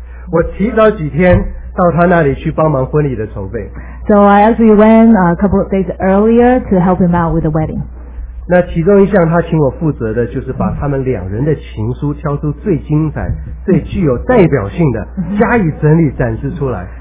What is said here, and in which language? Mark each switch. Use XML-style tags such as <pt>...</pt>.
<zh>我提早几天到他那里去帮忙婚礼的筹备。</zh> <en>So I actually went a couple of days earlier to help him out with the wedding.</en> <zh>那其中一项他请我负责的就是把他们两人的情书挑出最精彩、最具有代表性的加以整理展示出来。</zh>